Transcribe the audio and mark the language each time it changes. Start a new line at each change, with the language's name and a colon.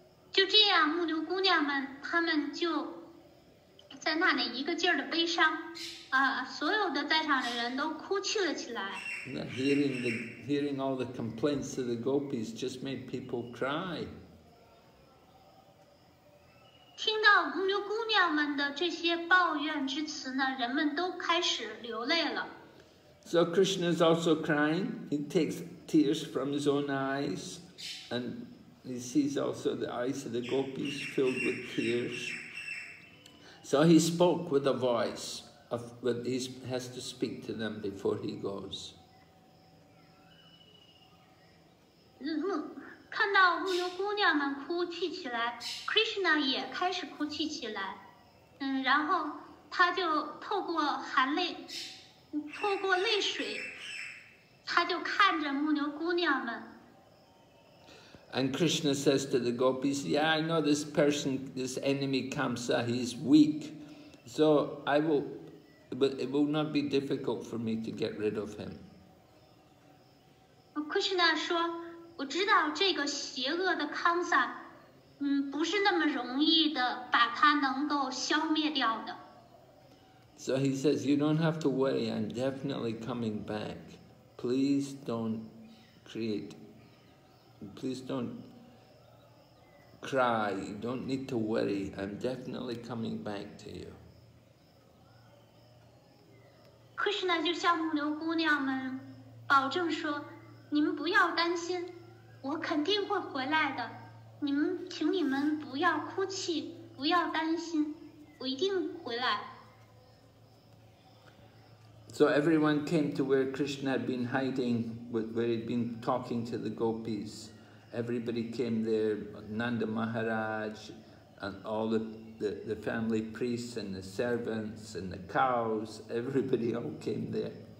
Chinese: 就这样牧牛姑娘们他们就在那里一个劲儿的悲伤，所有的在场的人都哭泣了起来。
English: Hearing all the complaints of the gopis just made people cry.
Chinese: 听到牧牛姑娘们的这些抱怨之词呢，人们都开始流泪了。
English: So Krishna is also crying. He takes tears from his own eyes, and he sees also the eyes of the gopis filled with tears. So he spoke with a voice, he has to speak to them before he goes.
Chinese: 看到牧牛姑娘们哭泣起来， Krishna 也开始哭泣起来。然后他就透过含泪，透过泪水，他就看着牧牛姑娘们。
English: And Krishna says to the gopis, yeah, I know this person, this enemy Kamsa, he's weak. So I will, but it will not be difficult for me to get rid of him.
Chinese: Krishna 说，我知道这个邪恶的 Kamsa, 不是那么容易的把他能够消灭掉的。
English: So he says, you don't have to worry, I'm definitely coming back. Please don't create. Please don't cry, you don't need to worry, I'm definitely coming back to you.
Chinese: Krishna 就向牧牛姑娘们保证说，你们不要担心，我肯定会回来的，你们请你们不要哭泣，不要担心，我一定回来。
English: So everyone came to where Krishna had been hiding, where he'd been talking to the gopis. Everybody came there, Nanda Maharaj, and all the family priests and the servants and the cows, everybody all came there.